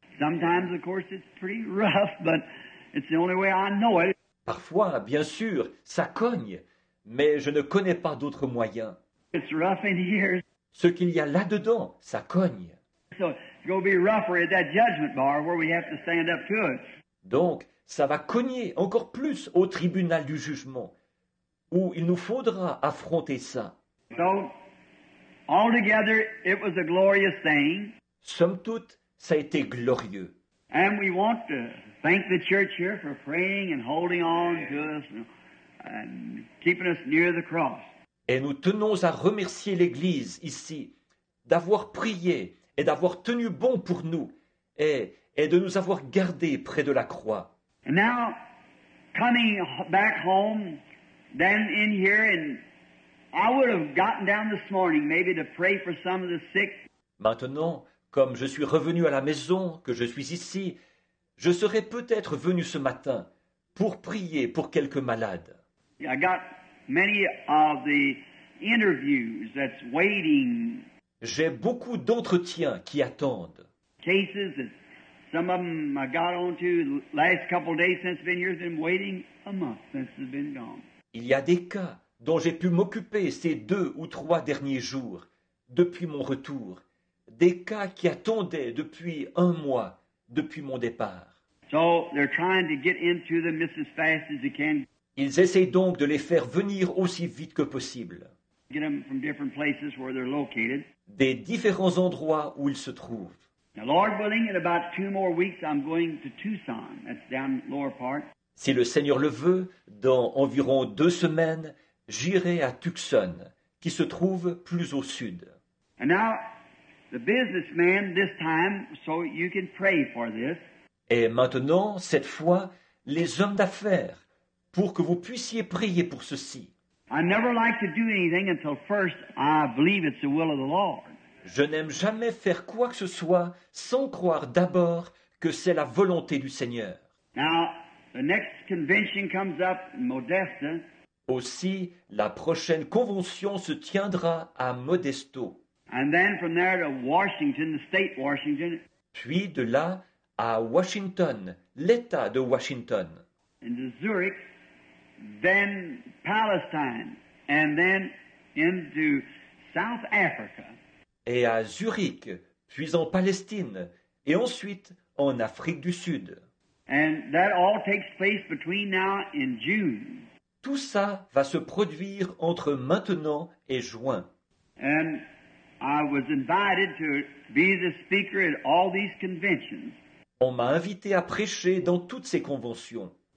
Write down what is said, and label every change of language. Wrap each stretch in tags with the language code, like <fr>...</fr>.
<en>Sometimes, of course, it's pretty rough, but it's the only way I know it.</en> <fr>Parfois, bien sûr, ça cogne, mais je ne connais pas d'autres moyens.</fr> <en>It's rough in here.</en> <fr>Ce qu'il y a là-dedans, ça cogne.</fr> <en>So it's going to be rougher at that judgment bar where we have to stand up to it.</en> <fr>Donc, ça va cogner encore plus au tribunal du jugement, où il nous faudra affronter ça.</fr> <en>So, altogether, it was a glorious thing.</en> <fr>Somme toute, ça a été glorieux.</fr> <en>And we want to thank the church here for praying and holding on to us and keeping us near the cross.</en> <fr>Et nous tenons à remercier l'Église ici d'avoir prié et d'avoir tenu bon pour nous et de nous avoir gardés près de la croix.</fr> <en>And now, coming back home, then in here, and I would have gotten down this morning maybe to pray for some of the sick.</en> <fr>Maintenant, comme je suis revenu à la maison, que je suis ici, je serais peut-être venu ce matin pour prier pour quelques malades.</fr> <en>I got many of the interviews that's waiting.</en> <fr>J'ai beaucoup d'entretiens qui attendent.</fr> <en>Cases that some of them I got onto last couple of days since I've been here, been waiting a month since I've been gone.</en> <fr>Il y a des cas dont j'ai pu m'occuper ces deux ou trois derniers jours depuis mon retour. Des cas qui attendaient depuis un mois, depuis mon départ.</fr> <en>So they're trying to get into them just as fast as they can.</en> <fr>Ils essaient donc de les faire venir aussi vite que possible.</fr> <en>Get them from different places where they're located.</en> <fr>Des différents endroits où ils se trouvent.</fr> <en>Now, Lord willing, in about two more weeks, I'm going to Tucson. That's down the lower part.</en> <fr>Si le Seigneur le veut, dans environ deux semaines, j'irai à Tucson, qui se trouve plus au sud.</fr> <en>And now, the businessman this time, so you can pray for this.</en> <fr>Et maintenant, cette fois, les hommes d'affaires, pour que vous puissiez prier pour ceci.</fr> <en>I never like to do anything until first I believe it's the will of the Lord.</en> <fr>Je n'aime jamais faire quoi que ce soit sans croire d'abord que c'est la volonté du Seigneur.</fr> <en>Now, the next convention comes up in Modesto.</en> <fr>Aussi, la prochaine convention se tiendra à Modesto.</fr> <en>And then from there to Washington, the state Washington.</en> <fr>Puis de là à Washington, l'État de Washington.</fr> <en>And to Zurich, then Palestine, and then into South Africa.</en> <fr>Et à Zurich, puis en Palestine, et ensuite en Afrique du Sud.</fr> <en>And that all takes place between now and June.</en> <fr>Tout ça va se produire entre maintenant et juin.</fr> <en>And I was invited to be the speaker at all these conventions.</en> <fr>On m'a invité à prêcher dans toutes ces conventions.</fr>